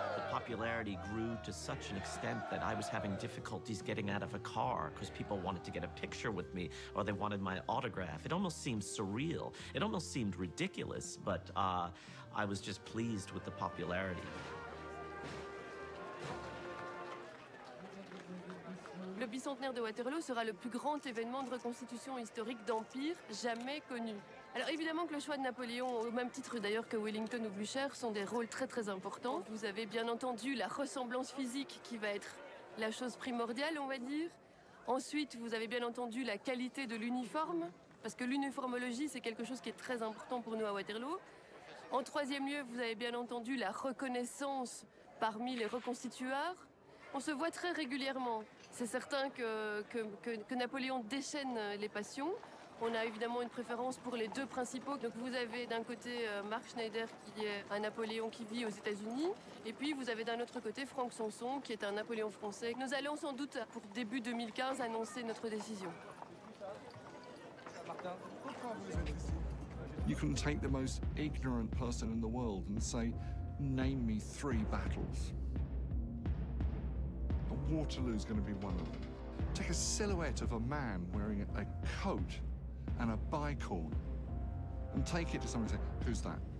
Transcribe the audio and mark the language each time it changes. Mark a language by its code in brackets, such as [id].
[en] Popularity grew to such an extent that I was having difficulties getting out of a car because people wanted to get a picture with me or they wanted my autograph. It almost seemed surreal. It almost seemed ridiculous, but I was just pleased with the popularity. [fr] Le bicentenaire de Waterloo sera le plus grand événement de reconstitution historique d'empire jamais connu. Alors évidemment que le choix de Napoléon, au même titre d'ailleurs que Wellington ou Blücher, sont des rôles très très importants. Vous avez bien entendu la ressemblance physique qui va être la chose primordiale, on va dire. Ensuite, vous avez bien entendu la qualité de l'uniforme, parce que l'uniformologie, c'est quelque chose qui est très important pour nous à Waterloo. En troisième lieu, vous avez bien entendu la reconnaissance parmi les reconstitueurs. On se voit très régulièrement. C'est certain que Napoléon déchaîne les passions. On a évidemment une préférence pour les deux principaux. Donc vous avez d'un côté Mark Schneider, qui est un Napoléon qui vit aux États-Unis. Et puis vous avez d'un autre côté Franck Sanson, qui est un Napoléon français. Nous allons sans doute, pour début 2015, annoncer notre décision. [en] You can take the most ignorant person in the world and say, name me three battles. And Waterloo's going to be one of them. Take a silhouette of a man wearing a coat and a bicorn and take it to someone and say, who's that?